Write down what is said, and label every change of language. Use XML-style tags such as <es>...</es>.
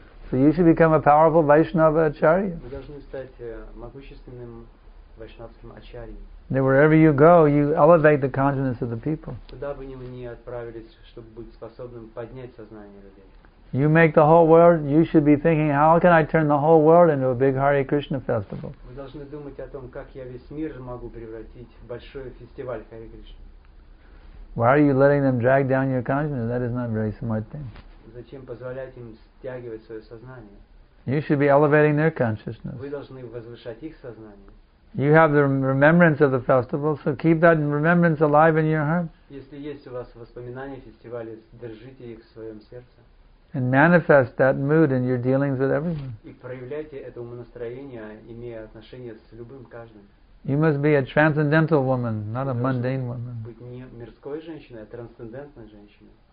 <en>So you should become a powerful Vaishnava Acharya.</en> <ru>Вы должны стать могущественным вайшнавским ачарьей.</ru> <en>That wherever you go, you elevate the consciousness of the people.</en> <ru>Куда бы ни вы ни отправились, чтобы быть способным поднять сознание людей.</ru> <en>You make the whole world, you should be thinking, how can I turn the whole world into a big Hare Krishna festival?</en> <ru>Вы должны думать о том, как я весь мир могу превратить в большой фестиваль Харе Кришна.</ru> <en>Why are you letting them drag down your consciousness? That is not a very smart thing.</en> <ru>Зачем позволять им стягивать свое сознание?</ru> <en>You should be elevating their consciousness.</en> <ru>Вы должны возвышать их сознание.</ru> <en>You have the remembrance of the festival, so keep that remembrance alive in your heart.</en> <ru>Если есть у вас воспоминания о фестивале, держите их в своем сердце.</ru> <en>And manifest that mood in your dealings with everyone.</en> <ru>И проявляйте это умонастроение, имея отношение с любым каждым.</ru> <en>You must be a transcendental woman, not a mundane woman.</en> <ru>Быть не мирской женщиной, а трансцендентной женщиной.</ru>